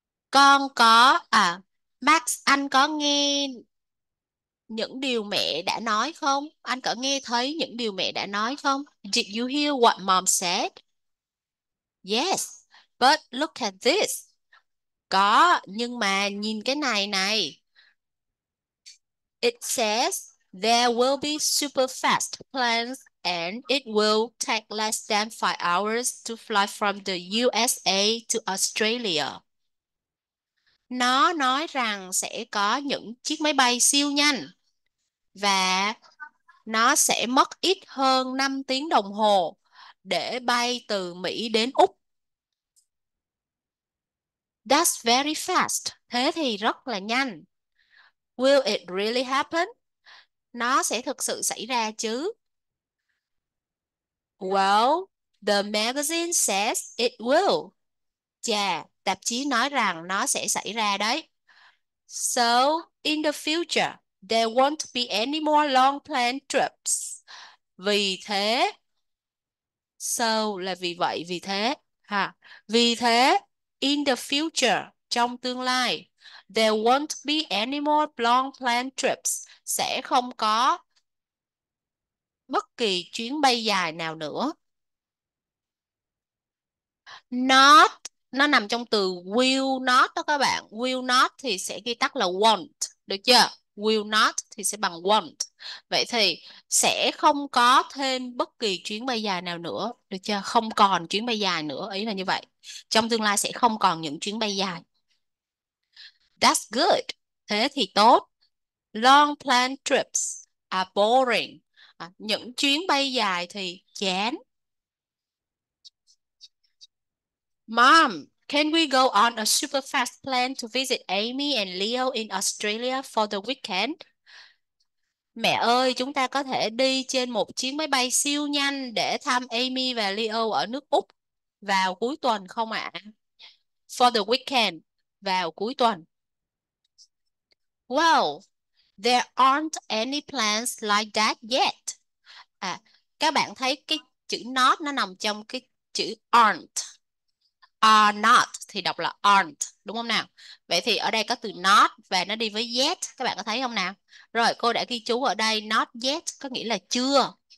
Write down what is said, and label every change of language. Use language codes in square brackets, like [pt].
[vi] Con có à Max, anh có nghe những điều mẹ đã nói không? Anh có nghe thấy những điều mẹ đã nói không? [en] Did you hear what mom said? Yes, but look at this. [vi] Có, nhưng mà nhìn cái này này. [en] It says there will be super fast planes and it will take less than 5 hours to fly from the USA to Australia. [vi] Nó nói rằng sẽ có những chiếc máy bay siêu nhanh và nó sẽ mất ít hơn 5 tiếng đồng hồ để bay từ Mỹ đến Úc. [en] That's very fast. [vi] Thế thì rất là nhanh. [en] Will it really happen? [vi] Nó sẽ thực sự xảy ra chứ? [en] Well, the magazine says it will. [vi] Chà, tạp chí nói rằng nó sẽ xảy ra đấy. [en] So, in the future, there won't be any more long plane trips. [vi] Vì thế, so là vì vậy, vì thế. Ha. Vì thế, [en] in the future, [vi] trong tương lai, [en] there won't be any more long plane trips. [vi] Sẽ không có bất kỳ chuyến bay dài nào nữa. Not, nó nằm trong từ will not đó các bạn. Will not thì sẽ ghi tắt là won't. Được chưa? Will not thì sẽ bằng won't. Vậy thì sẽ không có thêm bất kỳ chuyến bay dài nào nữa. Được chưa? Không còn chuyến bay dài nữa. Ý là như vậy. Trong tương lai sẽ không còn những chuyến bay dài. [en] That's good. [vi] Thế thì tốt. [en] Long plane trips are boring. [vi] À, những chuyến bay dài thì chán. [en] Mom, can we go on a super fast plane to visit Amy and Leo in Australia for the weekend? [vi] Mẹ ơi, chúng ta có thể đi trên một chiếc máy bay siêu nhanh để thăm Amy và Leo ở nước Úc vào cuối tuần không ạ? [en] For the weekend, [vi] vào cuối tuần. [en] Well, there aren't any plans like that yet. [vi] À, các bạn thấy cái chữ not nó nằm trong cái chữ aren't. Are not thì đọc là aren't, đúng không nào? Vậy thì ở đây có từ not và nó đi với yet, các bạn có thấy không nào? Rồi, cô đã ghi chú ở đây not yet có nghĩa là chưa.